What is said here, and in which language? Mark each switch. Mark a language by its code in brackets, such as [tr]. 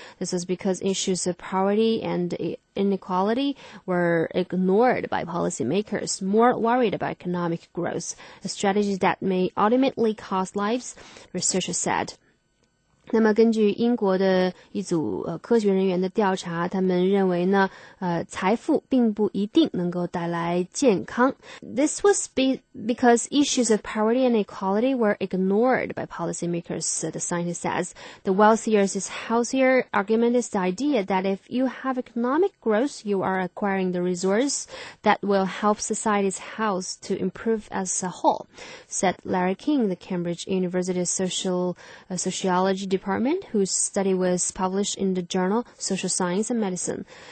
[en] This is because issues of poverty and inequality were ignored by policymakers, more worried about economic growth, a strategy that may ultimately cost lives, researchers said. [zh] 那么根据英国的一组科学人员的调查，他们认为呢财富并不一定能够带来健康。 [en] This was because issues of poverty and equality were ignored by policymakers, the scientist says. The wealthier is healthier argument is the idea that if you have economic growth, you are acquiring the resource that will help society's health to improve as a whole, said Larry King, the Cambridge University Sociology Department, whose study was published in the journal Social Science and Medicine.